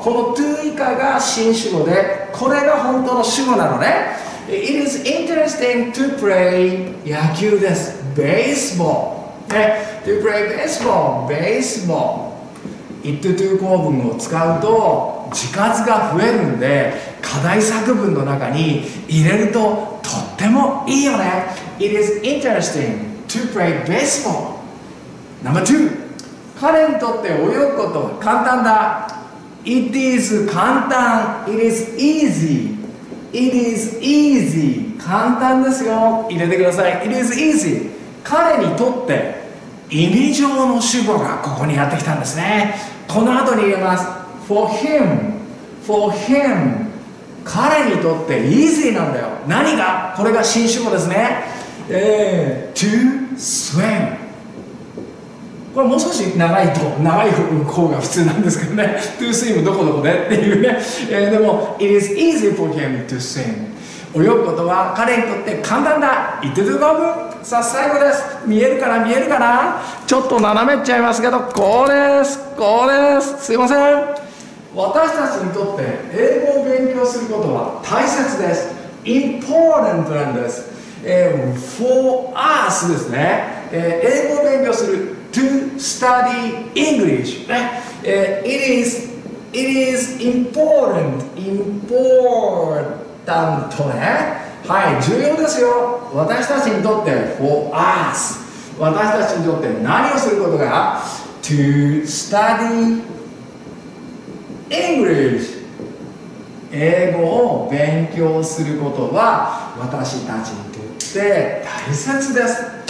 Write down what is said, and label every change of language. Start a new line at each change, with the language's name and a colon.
Japanese: この to 以下が新主語で、これが本当の主語なのね。
English: It is interesting to play 野球です。
Japanese: Baseball、ね、
English: To play baseball
Japanese: Baseball It to 構文を使うと字数が増えるんで、課題作文の中に入れるととってもいいよね。
English: It is interesting to play baseball No.2
Japanese: 彼にとって泳ぐことは簡単だ。
English: It is 簡単、 It is easy、 It is easy
Japanese: 簡単ですよ、入れてください。
English: It is easy
Japanese: 彼にとって、意味上の主語がここにやってきたんですね。この後に入れます。
English: For him、 For him
Japanese: 彼にとって
English: easy なんだよ。
Japanese: 何が、これが新主語ですね。
English: To swim
Japanese: これもう少し長いと、長い方が普通なんですけどね。
English: to swim
Japanese: どこどこでっていうね。
English: でも、It is easy for him to swim.
Japanese: 泳ぐことは彼にとって簡単だ。 It to do 構文。さあ、最後です。見えるかな見えるかな、ちょっと斜めっちゃいますけど、これです。これです。すいません。私たちにとって英語を勉強することは大切です。 important なんです。
English: for us
Japanese: ですね。英語を勉強する。
English: To study English、It is important Important ね、
Japanese: はい、重要ですよ。私たちにとって
English: For us
Japanese: 私たちにとって何をすることが
English: To study English
Japanese: 英語を勉強することは私たちにとって大切です。